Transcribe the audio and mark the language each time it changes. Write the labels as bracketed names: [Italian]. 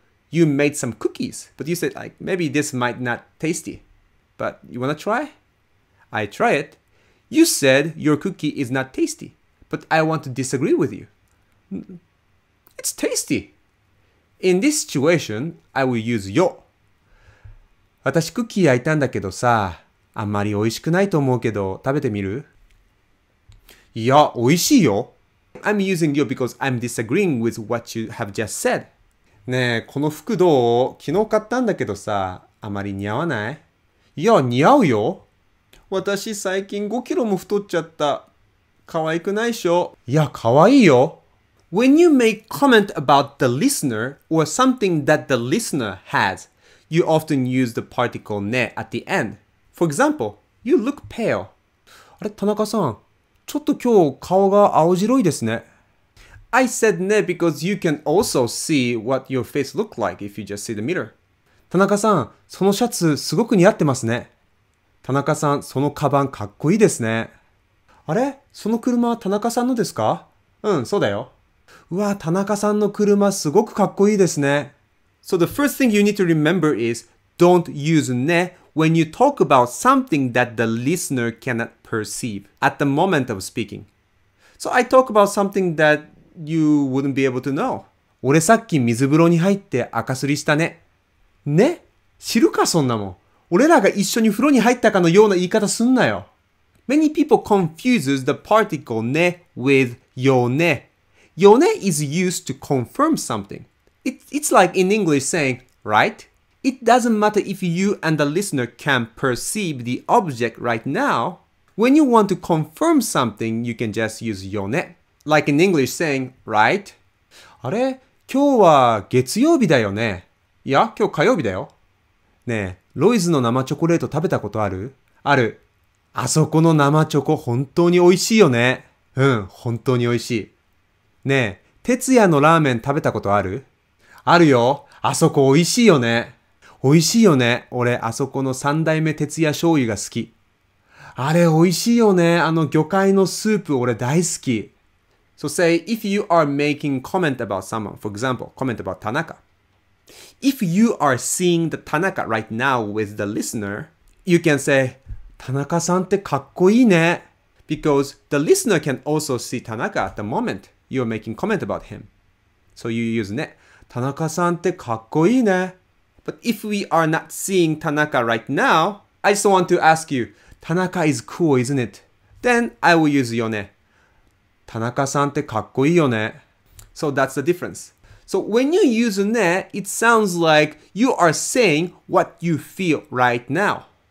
[English] You made some cookies, but you said like, maybe this might not tasty. But you wanna try? I try it. You said your cookie is not tasty, but I want to disagree with you. It's tasty. In this situation, I will use よ。 [Japanese] 私クッキー焼いたんだけどさ、あんまり美味しくないと思うけど、食べてみる？いや、美味しいよ。 [English] I'm using you because I'm disagreeing with what you have just said. [Japanese] ねえ、この服どう？昨日買ったんだけどさ、あまり似合わない？いや、似合うよ。私最近5キロも太っちゃった。可愛くないしょ？いや、可愛いよ。 [English] When you make comment about the listener or something that the listener has, you often use the particle ne at the end. For example, you look pale. [Japanese] あれ、田中さん。ちょっと今日顔が青白いですね。 [English] I said ne because you can also see what your face look like if you just see the mirror. [Japanese] 田中さん、そのシャツすごく似合ってますね。田中さん、そのカバンかっこいいですね。あれ？その車田中さんのですか？うん、そうだよ。うわ、田中さんの車すごくかっこいいですね。 [English] So the first thing you need to remember is don't use ne when you talk about something that the listener cannot perceive at the moment of speaking. So I talk about something that you wouldn't be able to know. [Japanese] 俺さっき水風呂に入って赤すりしたね。ね？知るかそんなもん。俺らが一緒に風呂に入ったかのような言い方すんなよ。 [English] Many people confuses the particle ね with よね。よね is used to confirm something. It's like in English saying, right? It doesn't matter if you and the listener can perceive the object right now. When you want to confirm something, you can just use よね。 Like in English saying, right? [Japanese] あれ？今日は月曜日だよね。いや、今日火曜日だよ。ねえ、ロイズの生チョコレート食べたことある？ある。あそこの生チョコ本当に美味しいよね。うん、本当に美味しい。ねえ、てつやのラーメン食べたことある？あるよ。あそこ美味しいよね。美味しいよね。俺、あそこの三代目てつや醤油が好き。あれ美味しいよね。あの魚介のスープ俺大好き。 [English] So say, if you are making comment about someone, for example, comment about Tanaka. If you are seeing the Tanaka right now with the listener, you can say, [Japanese] 田中さんってかっこいいね。 [English] Because the listener can also see Tanaka at the moment you're making comment about him. So you use ね。 [Japanese] 田中さんってかっこいいね。 [English] But if we are not seeing Tanaka right now, I just want to ask you, Tanaka is cool, isn't it? Then I will use よね。 [Japanese] Tanaka さんってかっこいいよね。 [English] So that's the difference. So when you use ね, it sounds like you are saying what you feel right now.